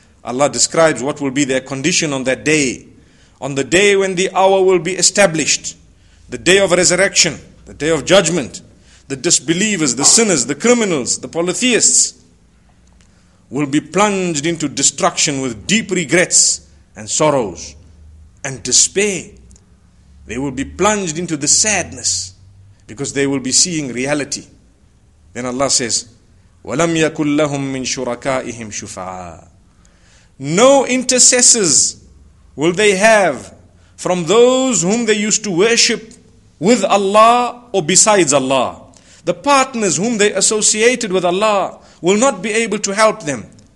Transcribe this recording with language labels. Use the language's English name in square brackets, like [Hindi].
[English] Allah describes what will be their condition on that day. On the day when the hour will be established, the day of resurrection, the day of judgment, the disbelievers, the sinners, the criminals, the polytheists will be plunged into destruction with deep regrets and sorrows and despair. They will be plunged into the sadness because they will be seeing reality. [Arabic] Then Allah says, وَلَمْ يَكُلْ لَهُمْ مِنْ شُرَكَائِهِمْ شُفَعَىٰ. [English] No intercessors will they have from those whom they used to worship with Allah or besides Allah. The partners whom they associated with Allah will not be able to help them.